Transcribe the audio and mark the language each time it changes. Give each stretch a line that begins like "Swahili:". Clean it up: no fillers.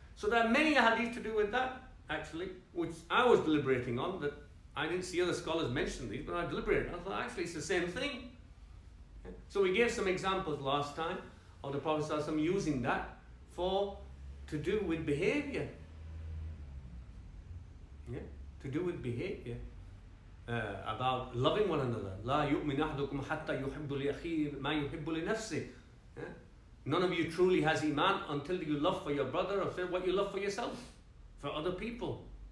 English: So there are many hadith to do with that, actually, which I was deliberating on, that I didn't see other scholars mention these, but I deliberated. I thought, actually, it's the same thing. So we gave some examples last time of the Prophet ﷺ using that for to do with behavior. Yeah, to do with behavior. About loving one another.
Arabic: لا يؤمن أحدكم حتى يحب لأخيه ما يحب لنفسه.
English: None of you truly has iman until you love for your brother or what you love for yourself, for other people.